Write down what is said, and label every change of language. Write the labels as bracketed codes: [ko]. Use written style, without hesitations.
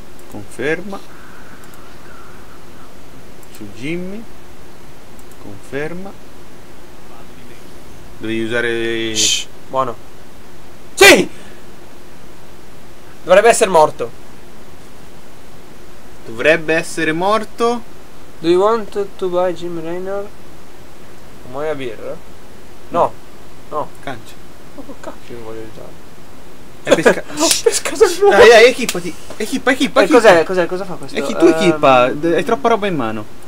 [it] conferma su Jimmy, conferma, devi usare buono, sì, dovrebbe essere morto, dovrebbe essere morto. [en] Do you want to buy Jim Raynor? [it] Vuoi la birra? No, no, cancio. Oh, cacchio, voglio usare. Equipati. Cos'è? Fa questo? Equipa, hai troppa roba in mano.